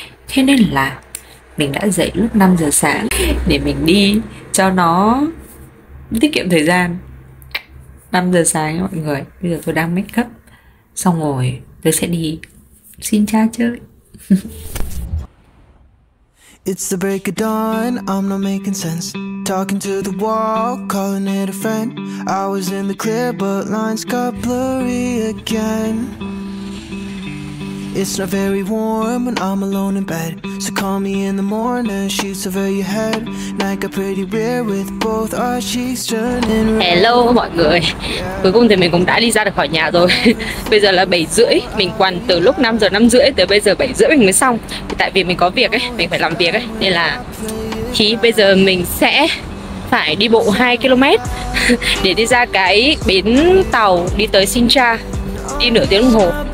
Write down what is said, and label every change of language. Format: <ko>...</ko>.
<vi>Thế nên là mình đã dậy lúc 5 giờ sáng để mình đi cho nó tiết kiệm thời gian. 5 giờ sáng mọi người. Bây giờ tôi đang make up xong rồi tôi sẽ đi Sincha chơi.</vi> <en>It's the break of dawn, I'm not making sense. Talking to the wall, calling it a friend. I was in the clear, but lines got blurry again. It's not very warm when I'm alone in bed. So call me in the morning, shoot over your head. Night got pretty rare with both our cheeks turning red.</en> <vi>Hello mọi người. Cuối cùng thì mình cũng đã đi ra được khỏi nhà rồi. Bây giờ là 7 rưỡi. Mình quần từ lúc 5 giờ 5 rưỡi tới bây giờ 7 rưỡi mình mới xong. Tại vì mình có việc ấy, mình phải làm việc ấy. Nên là thì bây giờ mình sẽ phải đi bộ 2 km để đi ra cái bến tàu đi tới Sincha. Đi nửa tiếng đồng hồ.</vi>